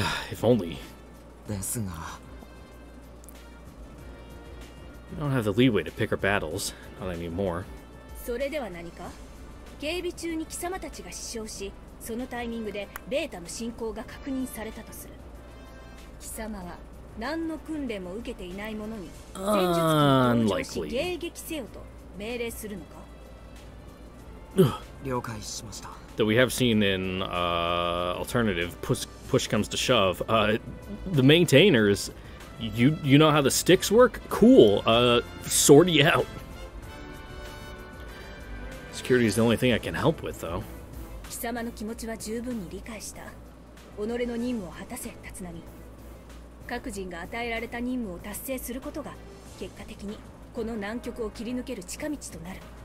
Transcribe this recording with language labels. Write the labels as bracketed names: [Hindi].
[English] If only. [Japanese] ですが、 [English] we don't have the leeway to pick our battles, not anymore. [Japanese] それでは何か？警備中に貴様たちが死傷し、そのタイミングでベータの進行が確認されたとする。貴様は何の訓練も受けていないものに戦術機を登場し迎撃せよと命令するのか？了解しました。 [English] That we have seen in alternative push comes to shove. The maintainers, you know how the sticks work? Cool. Sort you out. Security is the only thing I can help with, though. [Japanese] 貴様の気持ちは十分に理解した。己の任務を果たせ、立浪。各人が与えられた任務を達成することが結果的にこの難局を切り抜ける近道となる。